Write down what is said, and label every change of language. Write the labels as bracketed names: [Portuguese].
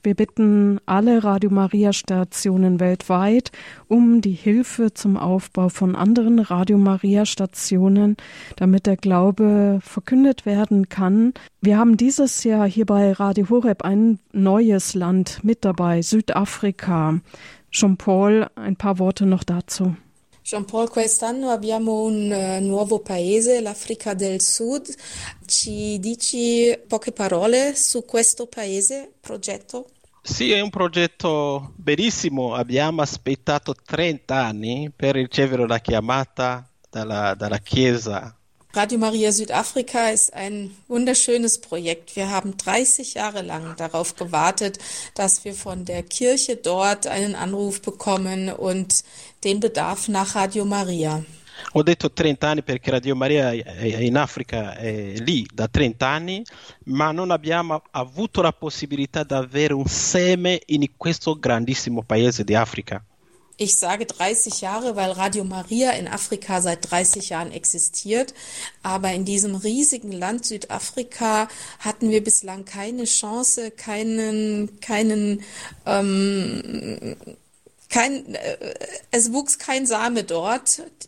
[German] Wir bitten alle Radio Maria Stationen weltweit um die Hilfe zum Aufbau von anderen Radio Maria Stationen, damit der Glaube verkündet werden kann. Wir haben dieses Jahr hier bei Radio Horeb ein neues Land mit dabei, Südafrika. Jean-Paul, ein paar Worte noch dazu. [Italian] Jean-Paul, quest'anno abbiamo un nuovo paese, l'Africa del Sud. Ci dici poche parole su questo paese, progetto? Sì, è un progetto bellissimo. Abbiamo aspettato 30 anni per ricevere la chiamata dalla Chiesa. [German] Radio Maria Südafrika ist ein wunderschönes Projekt. Wir haben 30 Jahre lang darauf gewartet, dass wir von der Kirche dort einen Anruf bekommen und den Bedarf nach Radio Maria. [Italian] Ho detto 30 anni perché Radio Maria è in Africa, è lì da 30 anni, ma non abbiamo avuto la possibilità di avere un seme in questo grandissimo paese di Africa. [German] Ich sage 30 Jahre, weil Radio Maria in Afrika seit 30 Jahren existiert. Aber in diesem riesigen Land Südafrika hatten wir bislang keine Chance, es wuchs kein Same dort.